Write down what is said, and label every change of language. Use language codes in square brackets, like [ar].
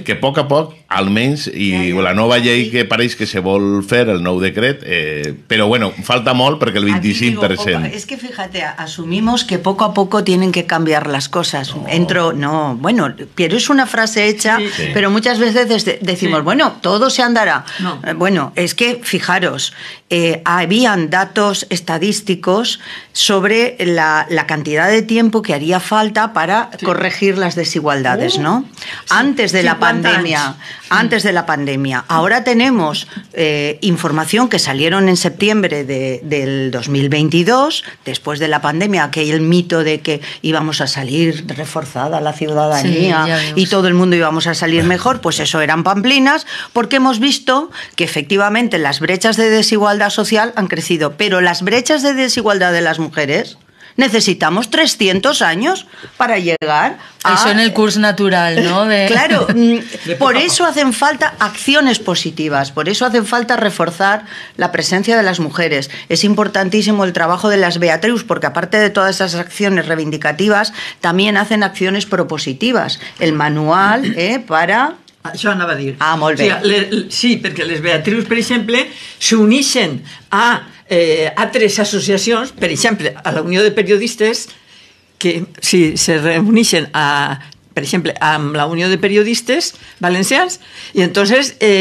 [ca] Que a poc a poc, almenys, i ja. La nova llei que pareix que se vol fer, el nou decret, però bueno, falta molt perquè el 25%... [es] Digo, opa, [ca] és que [es] fíjate, assumimos que [ca] poc a poc [es] tienen que cambiar las cosas. No. [ca] Bueno, però és una [es] frase hecha, [ca] sí. [es] Però muchas veces decimos, sí. Bueno, todo se andará. No. Bueno, es que, fijaros, habían datos estadísticos sobre la cantidad de tiempo que haría falta para sí. Corregir las desigualdades, ¿no? Sí. Antes de la pandemia. Años. Antes de la pandemia. Ahora tenemos información que salieron en septiembre del 2022, después de la pandemia, aquel mito de que íbamos a salir reforzada la ciudadanía sí, y todo el mundo íbamos a salir mejor, pues eso eran pamplinas, porque hemos visto que efectivamente las brechas de desigualdad social han crecido, pero las brechas de desigualdad de las mujeres necesitamos 300 años para llegar a... Eso en el curso natural, ¿no? Claro, por eso hacen falta acciones positivas, por eso hacen falta reforzar la presencia de las mujeres. Es importantísimo el trabajo de las Beatrius, porque aparte de todas esas acciones reivindicativas, también hacen acciones propositivas. El manual para... [ca] Això anava a dir. Ah, molt bé. O sigui, sí, perquè les Beatrius, per exemple, s'uneixen a altres associacions, per exemple, a la Unió de Periodistes, que sí, se reuneixen, a, per exemple, amb la Unió de Periodistes Valencians, i entonces,